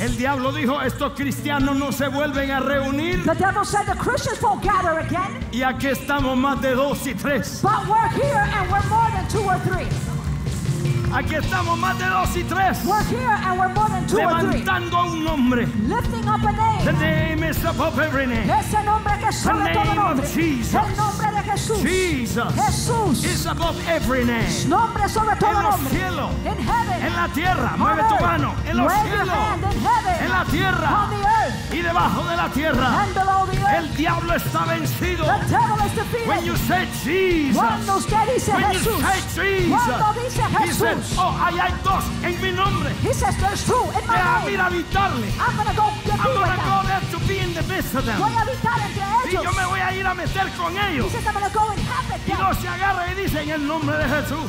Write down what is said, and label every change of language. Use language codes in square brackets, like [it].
[es] El diablo dijo, estos cristianos no se vuelven a reunir. [en] The devil said, the Christians won't gather again. [es] Y aquí estamos más de dos y tres. [en] But we're here and we're more than two or three. [es] Aquí estamos más de dos y tres. [en] We're here and we're more than two or three. [es] Levantando un nombre. [en] Lifting up a name. The name is above every name. [es] Ese nombre que sobre todo nombre. [en] The name of Jesus. [es] El nombre de Jesús. [en] Jesus. [es] Jesús. [en] Is above every name. [es] Nombre sobre todo nombre. En los cielos. [en] In heaven. [es] En la tierra. Mueve tu mano. En los cielos. [en] Wave your hand in heaven. [es] En la tierra. [en] On the earth. [es] Y debajo de la tierra. [en] And below the earth. [es] El diablo está vencido. [en] The devil is defeated. When you say Jesus. [es] Cuando usted dice [en] when [es] Jesús. [en] When you say Jesus. [es] Cuando dice Jesús. Oh, allá hay dos en mi nombre. [en] He says there's two in my name. [es] Voy a ir a habitarle. [en] I'm gonna go get I'm gonna go there to be in the midst of them. [es] Voy a habitar entre ellos. Y yo me voy a ir a meter con ellos. [en] He says I'm gonna go inhabit them. [es] Y dos se agarra y dice en el nombre de Jesús.